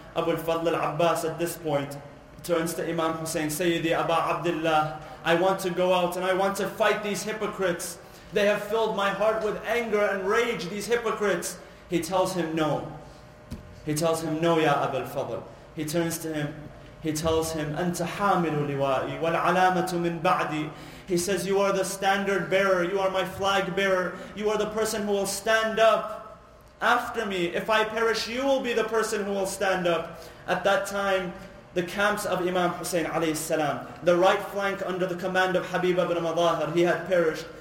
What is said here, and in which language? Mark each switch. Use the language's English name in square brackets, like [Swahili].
[English] Abu al-Fadl al-Abbas at this point turns to Imam Hussein, Sayyidi Aba Abdullah, I want to go out and I want to fight these hypocrites. They have filled my heart with anger and rage, these hypocrites. He tells him no. He tells him no, Ya Abu al-Fadl. He turns to him. He tells him, [Arabic] أَنْتَ حَامِلُ لِوَائِي وَالْعَلَامَةُ مِنْ بَعْدِي. [English] He says, you are the standard bearer. You are my flag bearer. You are the person who will stand up after me. If I perish, you will be the person who will stand up. At that time, the camps of Imam Hussein alayhi salam, the right flank under the command of Habib ibn Madahir, he had perished.